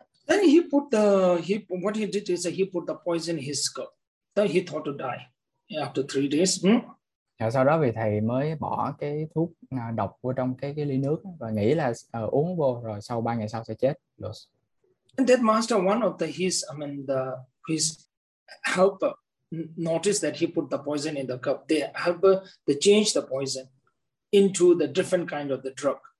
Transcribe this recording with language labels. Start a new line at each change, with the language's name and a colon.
English: Then he put the he what he did is he put the poison in his cup. So he thought to die after 3 days.
Vietnamese: Và sau đó vì thầy mới bỏ cái thuốc độc vô trong cái ly nước và nghĩ là uống vô rồi sau 3 ngày sau sẽ chết.
English: And that master, one of the his helper noticed that he put the poison in the cup. The helper they changed the poison into the different kind of the drug.